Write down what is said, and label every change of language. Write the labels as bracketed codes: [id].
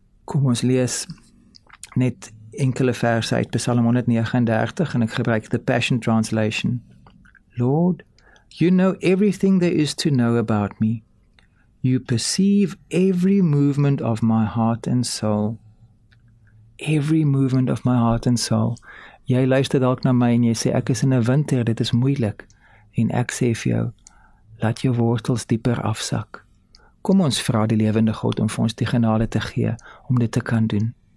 [af] Kom ons lees net enkele verse uit Psalm 139 en ek gebruik the Passion Translation. [en] Lord, you know everything there is to know about me. You perceive every movement of my heart and soul. Every movement of my heart and soul. [af] Jy luister dalk na my en jy sê, ek is in 'n winter, dit is moeilik. En ek sê vir jou, laat jou wortels dieper afsak. Kom ons vra die lewende God om vir ons die genade te gee, om dit te kan doen.